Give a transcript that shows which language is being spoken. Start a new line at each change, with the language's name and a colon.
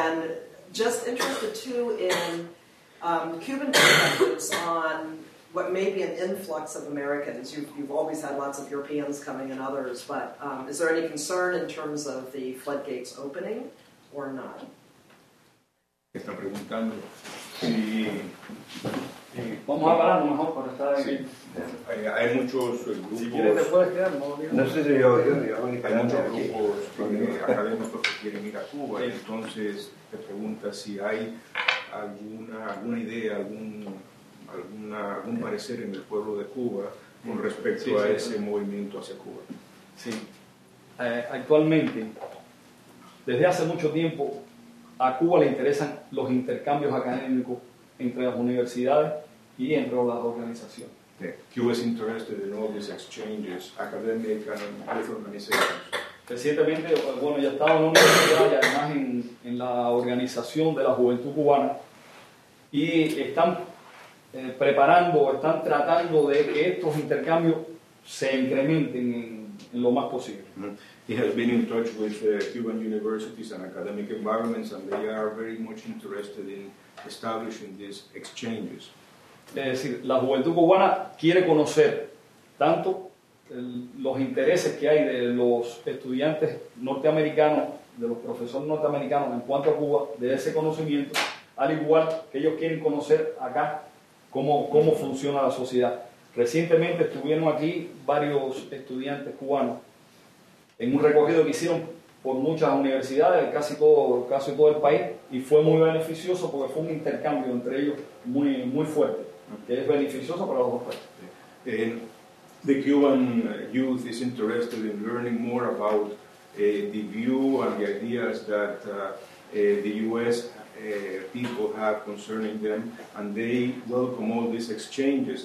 English: And just interested, too, in Cuban perspectives on what may be an influx of Americans. You've always had lots of Europeans coming and others, but is there any concern in terms of the floodgates opening or not?
Spanish: Está preguntando si... Vamos a parar lo mejor para estar ahí. Hay muchos grupos... Si quieres, te puedes quedar, no, no sé si yo hay muchos grupos académicos que quieren ir a Cuba, y entonces te pregunta si hay alguna idea, algún parecer en el pueblo de Cuba con respecto sí, a ese movimiento hacia Cuba. Sí. Actualmente, desde hace mucho tiempo, a Cuba le interesan los intercambios académicos entre las universidades y entre las organizaciones.
English: Yeah. Cuba is interested in all these exchanges, academic and different organizations.
Spanish: Recientemente, bueno, ya estaba en una universidad y además en la organización de la juventud cubana y están preparando, están tratando de que estos intercambios se incrementen en lo más posible. Mm-hmm.
English: He has been in touch with Cuban universities and academic environments, and they are very much interested in establishing these exchanges.
Spanish: Es decir, la juventud cubana quiere conocer tanto los intereses que hay de los estudiantes norteamericanos, de los profesores norteamericanos en cuanto a Cuba, de ese conocimiento, al igual que ellos quieren conocer acá cómo funciona la sociedad. Recientemente estuvieron aquí varios estudiantes cubanos en un recorrido que hicieron por muchas universidades, casi todo el país, y fue muy beneficioso porque fue un intercambio entre ellos muy, muy fuerte. Es beneficioso para los
English: The Cuban youth is interested in learning more about the view and the ideas that the U.S. People have concerning them, and they welcome all these exchanges.